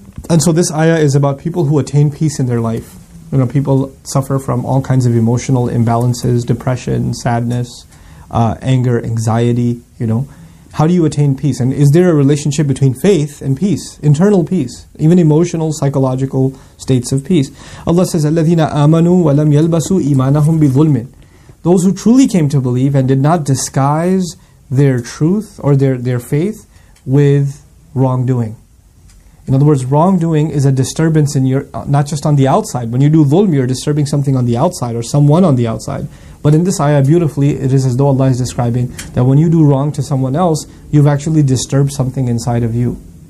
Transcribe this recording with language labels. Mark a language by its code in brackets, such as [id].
[en] And so this ayah is about people who attain peace in their life. You know, people suffer from all kinds of emotional imbalances, depression, sadness, anger, anxiety, you know. How do you attain peace? And is there a relationship between faith and peace? Internal peace, even emotional, psychological states of peace. Allah says, [ar] أَلَّذِينَ آمَنُوا وَلَمْ يَلْبَسُوا إِيمَانَهُمْ بِظُلْمٍ. [en] Those who truly came to believe and did not disguise their truth or their faith with wrongdoing. In other words, wrongdoing is a disturbance in your, not just on the outside. When you do dhulm, you're disturbing something on the outside or someone on the outside. But in this ayah, beautifully, it is as though Allah is describing that when you do wrong to someone else, you've actually disturbed something inside of you.